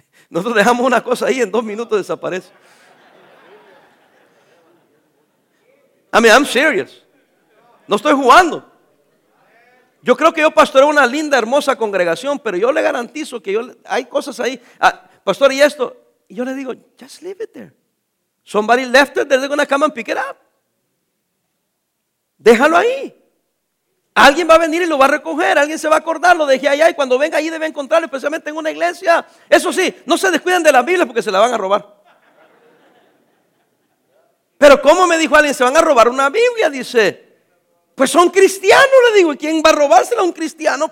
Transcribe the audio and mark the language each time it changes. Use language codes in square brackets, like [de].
[es] Nosotros dejamos una cosa ahí, en 2 minutos desaparece. [en] I mean, I'm serious. [es] No estoy jugando. Yo creo que yo pastoreo una linda, hermosa congregación, pero yo le garantizo que hay cosas ahí. Ah, pastor, ¿y esto? Y yo le digo, [en] just leave it there. Somebody left it, they're gonna come and pick it up. [es] Déjalo ahí. Alguien va a venir y lo va a recoger, alguien se va a acordar, lo dejé allá y cuando venga allí debe encontrarlo, especialmente en una iglesia. Eso sí, no se descuiden de la Biblia porque se la van a robar. Pero ¿cómo me dijo alguien? Se van a robar una Biblia, dice. Pues son cristianos, le digo. ¿Y quién va a robársela a un cristiano?